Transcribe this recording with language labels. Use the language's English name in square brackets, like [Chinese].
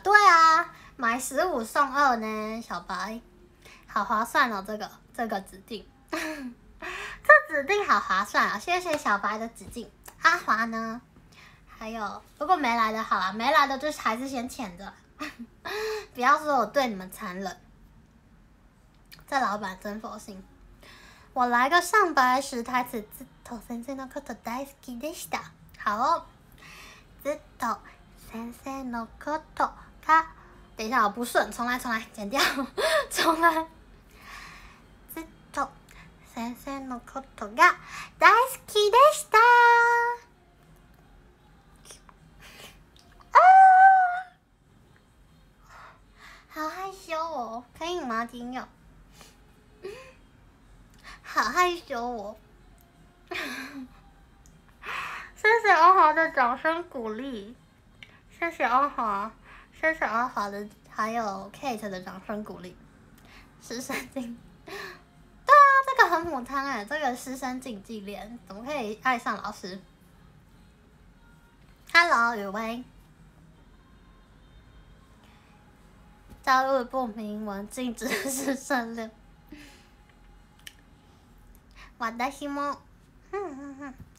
[Chinese] 对啊，买十五送二呢，小白，好划算哦，这个指定，这指定好划算啊、哦！谢谢小白的指定。阿华呢？还有，不过没来的好啦，没来的就是还是先潜着，不要说我对你们残忍。这老板真佛心，我来个上白石台词， [Japanese] ずっと先生のこと大好きでした。 [Chinese] 好、哦， [Japanese] ずっと先生のこと [Chinese] 他，等一下我不顺，重来，剪掉，重来。 [Japanese] ずっと先生のことが大好きでした。 [Chinese] 啊，好害羞哦，可以吗，金友？好害羞我。谢谢阿华的掌声鼓励，谢谢阿华，谢谢阿华的还有 Kate 的掌声鼓励，师生竞，对啊，这个很母汤哎，这个师生竞技恋怎么可以爱上老师 ？Hello， 雨薇，加入不明文禁止师生恋，我的心魔，哼哼哼。